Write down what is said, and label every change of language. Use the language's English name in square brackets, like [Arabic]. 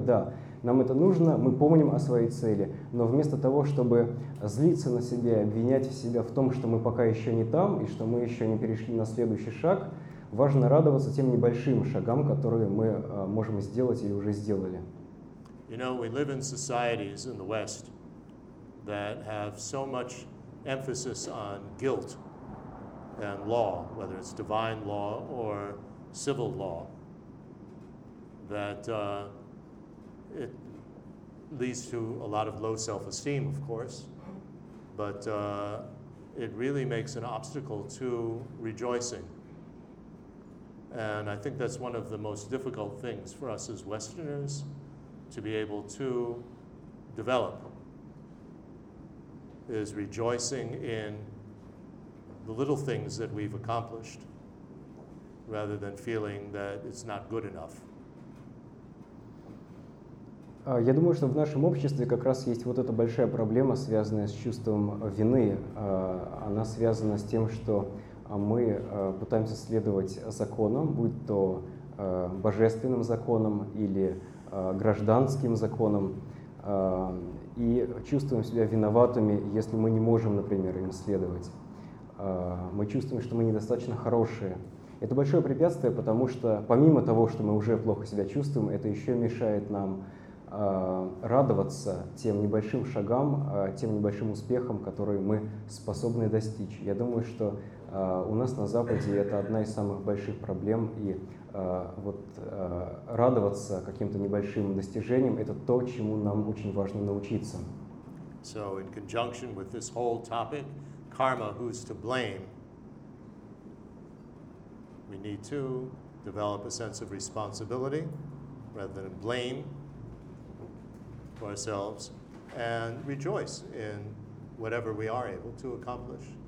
[Russian] Да, нам это нужно, мы помним о своей цели, но вместо того, чтобы злиться на себя и обвинять себя в том, что мы пока еще не там, и что мы еще не перешли на следующий шаг, Важно радоваться тем небольшим шагам, которые мы можем сделать или уже сделали. [English] You know, we live in societies in the West that have so much emphasis on guilt and law, whether it's divine law or civil law, that it leads to a lot of low self-esteem, of course, but it really makes an obstacle to rejoicing. And I think that's one of the most difficult things for us as Westerners to be able to develop, is rejoicing in the little things that we've accomplished rather than feeling that it's not good enough. [Russian] Я думаю, что в нашем обществе как раз есть вот эта большая проблема, связанная с чувством вины. Она связана с тем, что мы пытаемся следовать законам, будь то божественным законам или гражданским законам, и чувствуем себя виноватыми, если мы не можем, например, им следовать. Мы чувствуем, что мы недостаточно хорошие. Это большое препятствие, потому что помимо того, что мы уже плохо себя чувствуем, это еще мешает нам радоваться тем небольшим шагам, тем небольшим успехам, которые мы способны достичь. Я думаю, что у нас на Западе это одна из самых больших проблем, и вот радоваться каким-то небольшим достижениям — это то, чему нам очень важно научиться. [English] So in conjunction with this whole topic, karma, who's to blame, we need to develop a sense of responsibility rather than blame for ourselves and rejoice in whatever we are able to accomplish.